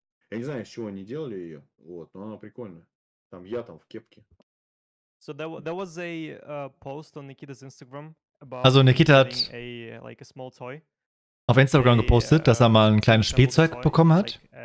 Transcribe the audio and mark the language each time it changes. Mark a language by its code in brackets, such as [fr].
[ru] Я не знаю, с чего они делали ее, вот, но она прикольная. Там я там в кепке. [en] So there was a post on Nikita's Instagram about. Also Nikita hat a small toy. [de] Auf Instagram gepostet, dass er mal ein kleines Spielzeug bekommen hat.